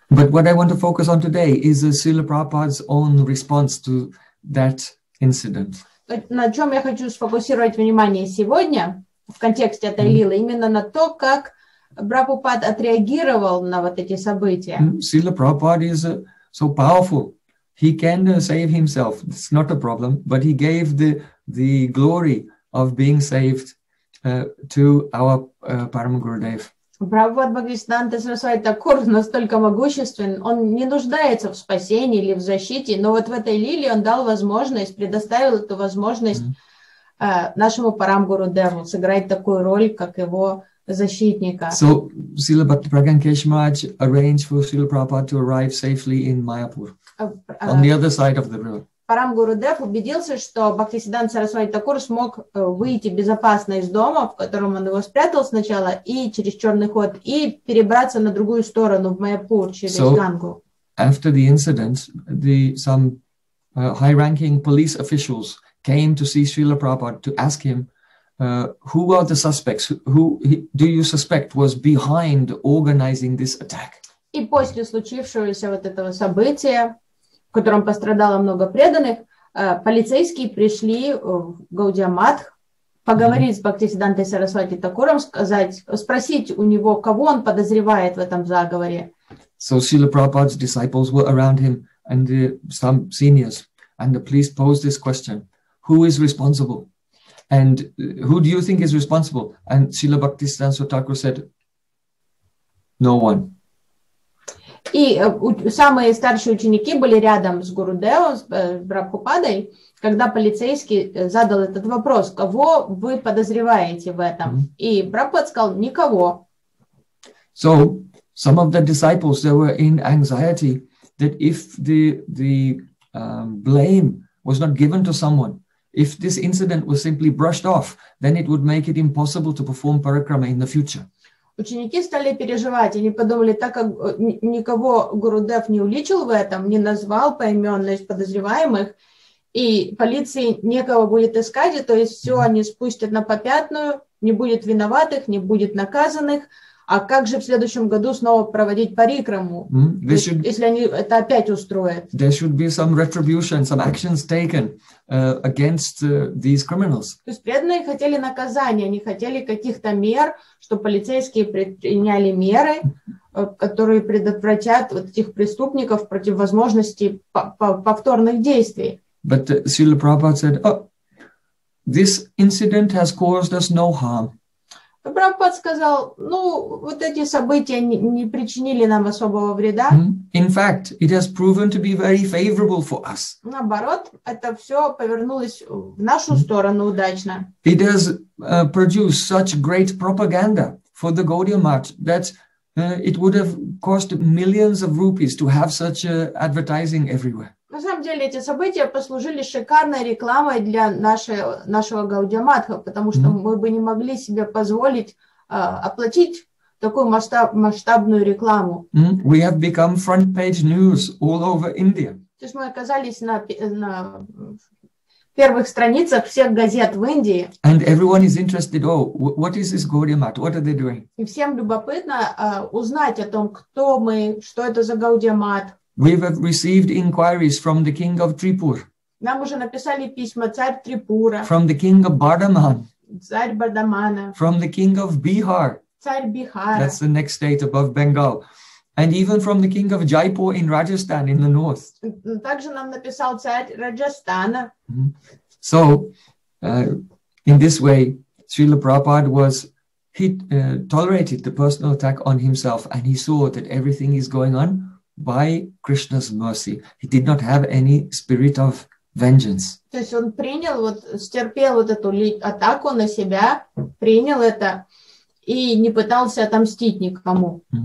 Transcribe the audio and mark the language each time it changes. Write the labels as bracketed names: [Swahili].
[English] But what I want to focus on today is Srila Prabhupada's own response to that incident. [Russian] На чем я хочу сфокусировать внимание сегодня, в контексте этой лилы, именно на то, как Прабхупад отреагировал на вот эти события. [English] Srila Prabhupada is so powerful. He can save himself. It's not a problem. But he gave the glory of being saved to our Param Gurudev. [Russian] Прабхупад Бхактисиддханта Сарасвати Такур настолько могуществен, он не нуждается в спасении или в защите, но вот в этой лиле он дал возможность, предоставил эту возможность нашему Param Gurudeva сыграть такую роль, как его защитника. [English] So, Srila Bhakti Pragyan Keshava Maharaj arranged for Srila Prabhupada to arrive safely in Mayapur, on the other side of the river. [Russian] Param Gurudev убедился, что Бхактисиддханта Сарасвати Такур смог выйти безопасно из дома, в котором он его спрятал сначала, и через черный ход, и перебраться на другую сторону, в Майяпур, через Гангу. [English] After the incident, some high-ranking police officials came to see Srila Prabhupada to ask him, who are the suspects? Who do you suspect was behind organizing this attack? [Russian] И после случившегося вот этого события, в котором пострадало много преданных, полицейские пришли в Гаудия Матх поговорить с Бхактисиддхантой Сарасвати Такуром, спросить у него, кого он подозревает в этом заговоре. [English] So Srila Prabhupada's disciples were around him and some seniors, and the police posed this question: who is responsible? And who do you think is responsible? And Srila Bhaktisiddhanta Thakur said, no one. [Russian] И самые старшие ученики были рядом с Гурудевом, с Прабхупадой, когда полицейский задал этот вопрос, кого вы подозреваете в этом? И Прабхупад сказал, никого. [English] So, some of the disciples, they were in anxiety that if the blame was not given to someone, if this incident was simply brushed off, then it would make it impossible to perform parikrama in the future. [Russian] Ученики стали переживать, они подумали, так как никого Гурудев не уличил в этом, не назвал поименно подозреваемых, и полиции некого будет искать, то есть все они спустят на попятную, не будет виноватых, не будет наказанных, а как же в следующем году снова проводить парикраму, если они это опять устроят? [English] There should be some retribution, some actions taken against these criminals. [Russian] То есть преданные хотели наказания, они хотели каких-то мер, чтобы полицейские предприняли меры, которые предотвратят вот этих преступников против возможности повторных действий. [English] But Srila Prabhupada said, this incident has caused us no harm. [Russian] Прабхупад сказал, вот эти события не причинили нам особого вреда. [English] In fact, it has proven to be very favorable for us. [Russian] Наоборот, это все повернулось в нашу сторону удачно. [English] It has produced such great propaganda for the Gaudiya Math that it would have cost millions of rupees to have such advertising everywhere. [Russian] На самом деле эти события послужили шикарной рекламой для нашего Гаудия Матха, потому что мы бы не могли себе позволить оплатить такую масштабную рекламу. [English] We have become front page news all over India. [Russian] То есть мы оказались на первых страницах всех газет в Индии. [English] And everyone is interested, what is this Gaudiya Math? What are they doing? [Russian] И всем любопытно узнать о том, кто мы, что это за Гаудия Матх. [English] We have received inquiries from the king of Tripur. [Russian] Нам уже написали письма царь Трипура. [English] From the king of Bardaman. [Russian] Царь Бардамана. [English] From the king of Bihar. [Russian] Царь Бихара. [English] That's the next state above Bengal. And even from the king of Jaipur in Rajasthan in the north. [Russian] Также нам написал царь Раджастана. [English] So, in this way, Srila Prabhupada was, he tolerated the personal attack on himself, and he saw that everything is going on by Krishna's mercy. He did not have any spirit of vengeance. [Russian] То есть он принял, вот, стерпел вот эту атаку на себя, принял это, и не пытался отомстить никому.